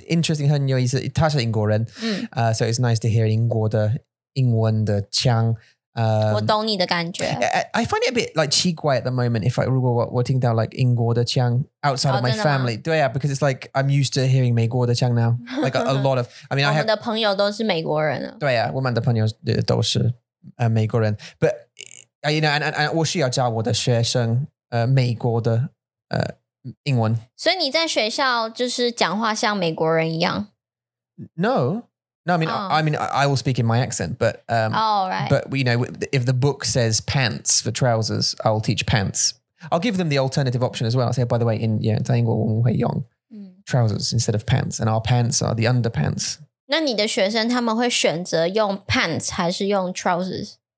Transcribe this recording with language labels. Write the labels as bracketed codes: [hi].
[en] Interesting, her name is [zh] 英国人， [en] so it's nice to hear [zh] 英国的英文的腔我懂你的感觉。 [en] I find it a bit like [zh] 奇怪 [en] at the moment if I [zh] 如果我听到 [en] like [zh] 英国的腔 [en] outside of my family. [zh] 对啊 [en] because it's like I'm used to hearing [zh] 美国的腔 [en] now. Like a lot of, I mean, [zh] 我们的朋友都是美国人啊。对啊我们的朋友都是美国人。 [en] But, you know, and [zh] 我需要教我的学生美国的英文。所以你在学校就是讲话像美国人一样？ [en] No. No, I mean,、oh. I mean, I will speak in my accent, but,、 right. but you know, if the book says pants for trousers, I'll teach pants. I'll give them the alternative option as well. I'll say, by the way, in, yeah, [zh] 在英国我们会用 [en] trousers instead of pants, and our pants are the underpants. [zh] 那你的学生他们会选择用 pants 还是用 trousers?